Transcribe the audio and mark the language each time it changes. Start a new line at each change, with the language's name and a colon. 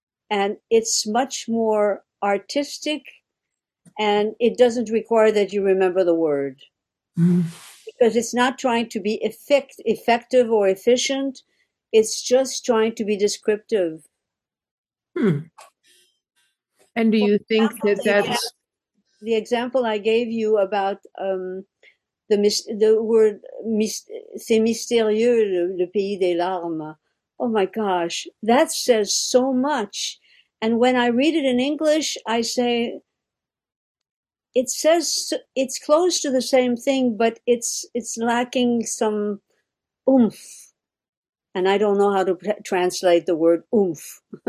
English: And it's much more artistic. And it doesn't require that you remember the word. Mm-hmm. Because it's not trying to be effective or efficient. It's just trying to be descriptive. Hmm. And do you think that that's... The example I gave you about... The word,
French: c'est mystérieux, le pays des larmes.
English: Oh my gosh, that says so much. And when I read it in English, I say, it says, it's close to the same thing, but it's lacking some oomph. And I don't know how to translate the word oomph.